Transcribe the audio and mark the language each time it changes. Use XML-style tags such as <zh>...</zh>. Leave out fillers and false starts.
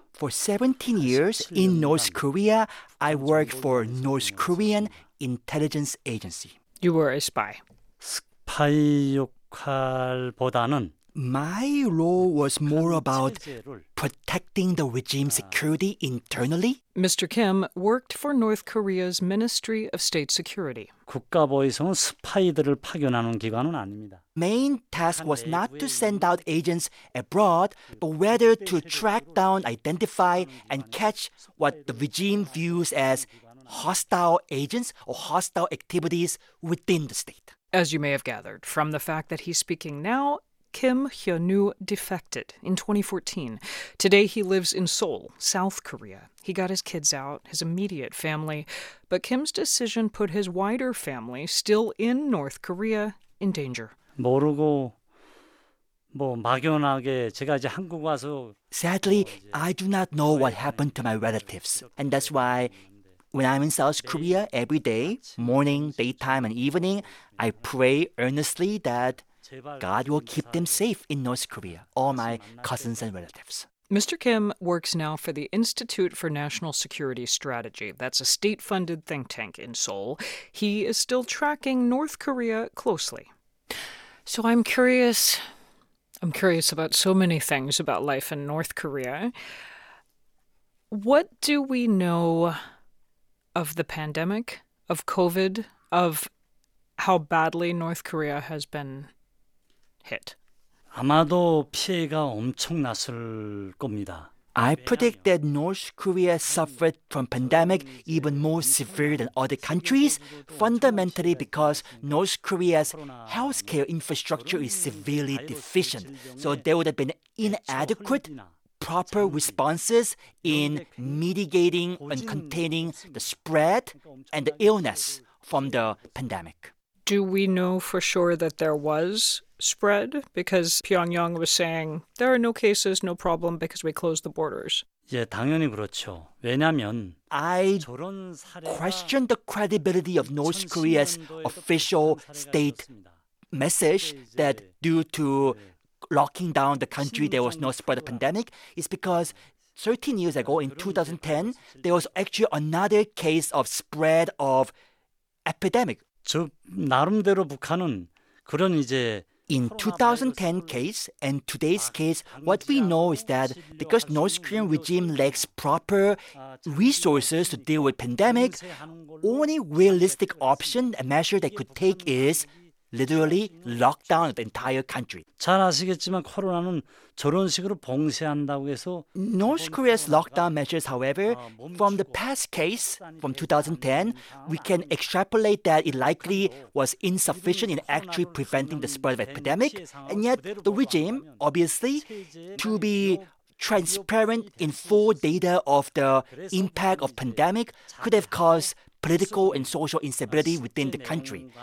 <en>For 17 years in North Korea, I worked for North Korean intelligence agency. You were a spy.</en> <ko>스파이 역할보다는</ko> <en>My role was more about protecting the regime security internally. Mr. Kim worked for North Korea's Ministry of State Security.</en> <ko>국가보위성은 스파이들을 파견하는 기관은 아닙니다.</ko> <en>Main task was not to send out agents abroad, but rather to track down, identify, and catch what the regime views as hostile agents or hostile activities within the state. As you may have gathered from the fact that he's speaking now, Kim Hyun-woo defected in 2014. Today he lives in Seoul, South Korea. He got his kids out, his immediate family, but Kim's decision put his wider family, still in North Korea, in danger.</en> <ko>모르고 뭐 막연하게 제가 이제 한국 와서</ko> <en>Sadly, I do not know what happened to my relatives, and that's why when I'm in South Korea every day, morning, daytime, and evening, I pray earnestly that God will keep them safe in North Korea, all my cousins and relatives. Mr. Kim works now for the Institute for National Security Strategy. That's a state-funded think tank in Seoul. He is still tracking North Korea closely. So I'm curious about so many things about life in North Korea. What do we know of the pandemic, of COVID, of how badly North Korea has been hit?</en> <ko>아마도 피해가 엄청났을 겁니다.</ko> <en>I predict that North Korea suffered from pandemic even more severe than other countries, fundamentally because North Korea's healthcare infrastructure is severely deficient. So there would have been inadequate proper responses in mitigating and containing the spread and the illness from the pandemic. Do we know for sure that there was spread? Because Pyongyang was saying there are no cases, no problem, because we closed the borders.</en> <ko>예, 당연히 그렇죠. 왜냐하면</ko> <en>I question the credibility of North Korea's official state message that due to locking down the country, there was no spread of pandemic. It's because 13 years ago, in 2010, there was actually another case of spread of epidemic.</en> <ko>즉, 나름대로 북한은 그런 이제</ko> <en>In 2010 case and today's case, what we know is that because North Korean regime lacks proper resources to deal with pandemic, only realistic option, a measure they could take is literally lockdown the entire country.</en> <ko>잘 아시겠지만 코로나는 저런 식으로 봉쇄한다고 해서</ko> <en>North Korea's lockdown measures, however, from the past case from 2010, we can extrapolate that it likely was insufficient in actually preventing the spread of epidemic. And yet, the regime, obviously, to be transparent in full data of the impact of pandemic, could have caused political and social instability within the country.</en>